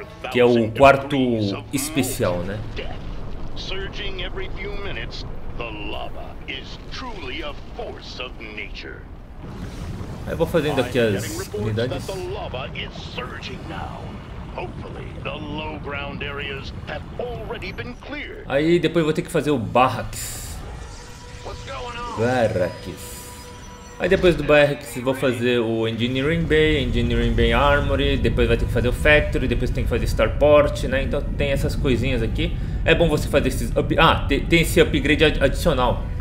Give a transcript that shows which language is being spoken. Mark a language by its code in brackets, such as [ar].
[pt] Que é o quarto especial, né? [en] Surging every few minutes, the lava is truly a force of nature. [pt] Aí vou fazendo aqui as unidades. [en] The lava is surging now. Hopefully, the low ground areas have already been cleared. [pt] Aí depois vou ter que fazer o barracks. Barracks. Aí depois do BRX vou fazer o Engineering Bay Armory, depois vai ter que fazer o Factory, depois tem que fazer Starport, né? Então tem essas coisinhas aqui. É bom você fazer esses tem esse upgrade adicional.